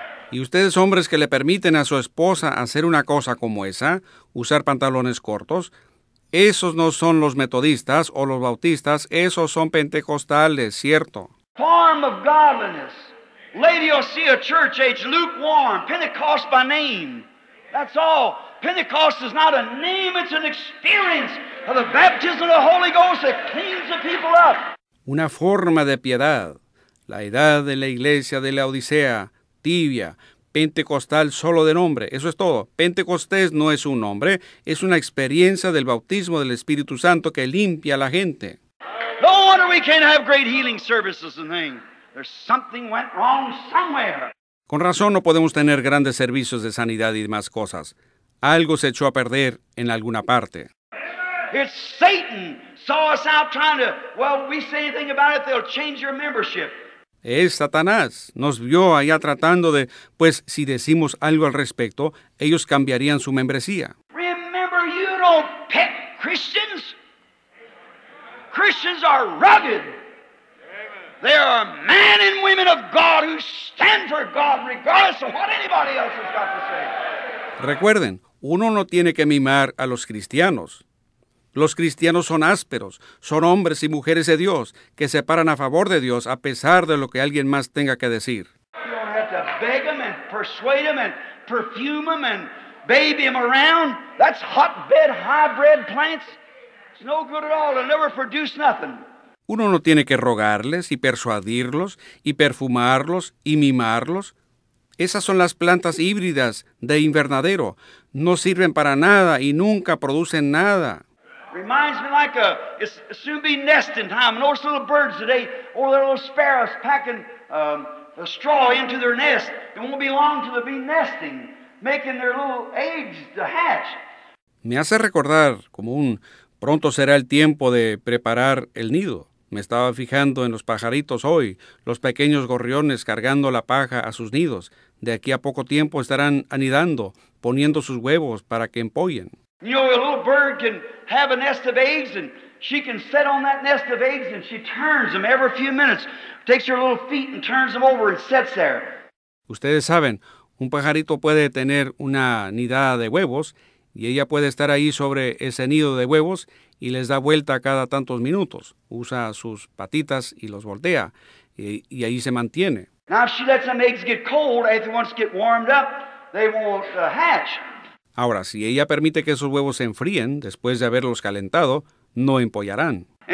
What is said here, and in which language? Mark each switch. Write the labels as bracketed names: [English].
[Spanish] Y ustedes, hombres, que le permiten a su esposa hacer una cosa como esa, usar pantalones cortos, esos no son los metodistas o los bautistas, esos son pentecostales, ¿cierto? [English] Form of godliness. Lady Osea Church Age, lukewarm, Pentecost by name. That's all. Pentecost is not a name, it's an experience of the baptism of the Holy Ghost that cleans the people up. [Spanish] Una forma de piedad. La edad de la iglesia de la Odisea, tibia, pentecostal solo de nombre. Eso es todo. Pentecostés no es un nombre, es una experiencia del bautismo del Espíritu Santo que limpia a la gente. [English] No wonder we can't have great healing services and things. There's something went wrong somewhere. [Spanish] Con razón no podemos tener grandes servicios de sanidad y demás cosas. Algo se echó a perder en alguna parte. [English] It's Satan saw us out trying to, well, we say anything about it, they'll change your membership. [Spanish] Es Satanás. Nos vio allá tratando de, pues, si decimos algo al respecto, ellos cambiarían su membresía. [English] Remember, you don't pet Christians. Christians are rugged. There are men and women of God who stand for God regardless of what anybody else has got to say. [Spanish] Recuerden, uno no tiene que mimar a los cristianos. Los cristianos son ásperos, son hombres y mujeres de Dios que se paran a favor de Dios a pesar de lo que alguien más tenga que decir. [English] You don't have to beg them and persuade them and perfume them and baby them around. That's hotbed hybrid plants. It's no good at all. They'll never produce nothing. [Spanish] Uno no tiene que rogarles y persuadirlos y perfumarlos y mimarlos. Esas son las plantas híbridas de invernadero. No sirven para nada y nunca producen nada. [English] Reminds me like a it's soon be nesting time. Those little birds today, or their little sparrows packing a straw into their nest. It won't be long till they'll be nesting, making their little eggs to hatch. [Spanish] Me hace recordar como un pronto será el tiempo de preparar el nido. Me estaba fijando en los pajaritos hoy, los pequeños gorriones cargando la paja a sus nidos. De aquí a poco tiempo estarán anidando, poniendo sus huevos para que empollen. [English] You know, a little bird can have a nest of eggs, and she can sit on that nest of eggs, and she turns them every few minutes, takes her little feet and turns them over and sits there. [Spanish] Ustedes saben, un pajarito puede tener una nidada de huevos, y ella puede estar ahí sobre ese nido de huevos y les da vuelta cada tantos minutos. Usa sus patitas y los voltea, y ahí se mantiene. [English] Now, if she lets them eggs get cold, if they once get warmed up, they won't hatch. [Spanish] Ahora, si ella permite que esos huevos se enfríen después de haberlos calentado, no empollarán.